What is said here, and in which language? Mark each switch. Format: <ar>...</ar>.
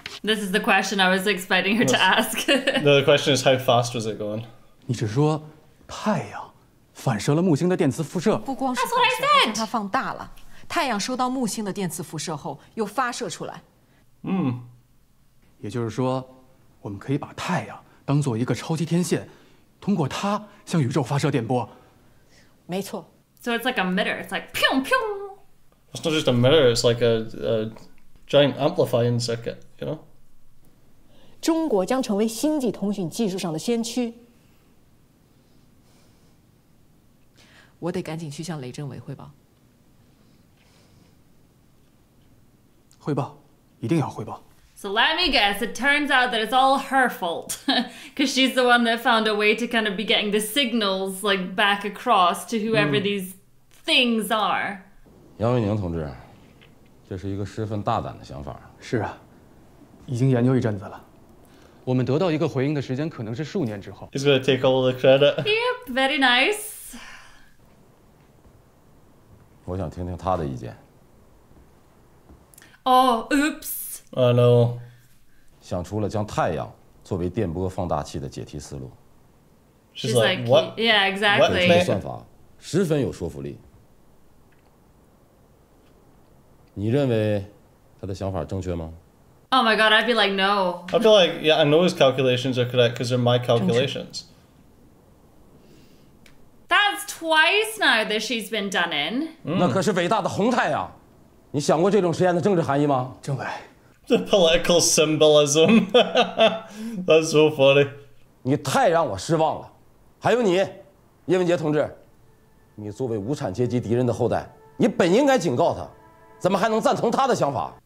<en>This is the question I was expecting her to ask. No, the question is how fast was it going?</en> <zh>你是说太阳反射了木星的电磁辐射？不光是反射，而且它放大了。太阳收到木星的电磁辐射后又发射出来。嗯，也就是说，我们可以把太阳当做一个超级天线，通过它向宇宙发射电波。没错。</zh> <en>So it's like a mirror. It's like pew pew. It's not just a mirror. It's like a giant amplifying circuit. You know.</en> <zh>中国将成为星际通讯技术上的先驱。我得赶紧去向雷政委汇报。汇报，一定要汇报。</zh> <en>So let me guess, it turns out that it's all her fault. Because she's the one that found a way to kind of be getting the signals like back across to whoever these things are.</en> <zh>杨伟宁同志，这是一个十分大胆的想法。是啊，已经研究一阵子了。我们得到一个回应的时间可能是数年之后。</zh> <en>He's going to take all the credit. Yep, very nice.</en> <zh>我想听听他的意见。</zh> <en>Oh, oops. Hello.</en> <zh>想出了将太阳作为电波放大器的解题思路。</zh> <en>She's like, what? Yeah, exactly.</en> <zh>这个算法十分有说服力。你认为他的想法正确吗？</zh> <en>Oh my god, I'd be like, no. I feel like, yeah, I know his calculations are correct because they're my calculations. Twice now that she's been done in.</en> <zh>那可是伟大的红太阳，你想过这种实验的政治含义吗？政委</zh> <en>，the political symbolism. That's so funny.</en> <zh>你太让我失望了。还有你，叶文杰同志，你作为无产阶级敌人的后代，你本应该警告他，怎么还能赞同他的想法</zh>